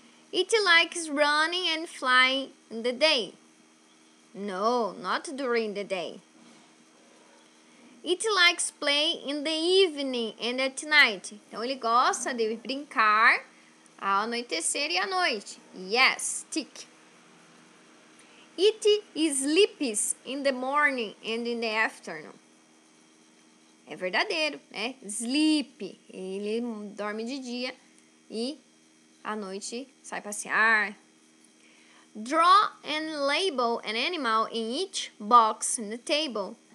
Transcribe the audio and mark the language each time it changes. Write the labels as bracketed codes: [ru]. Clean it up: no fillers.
[en] It likes running and flying in the day. No, not during the day. It likes play in the evening and at night. [pt] Então, ele gosta de brincar ao anoitecer e à noite. [en] Yes, tick. It sleeps in the morning and in the afternoon. [pt] É verdadeiro, né? Sleep. Ele dorme de dia e à noite sai passear. [en] Draw and label an animal in each box on the table.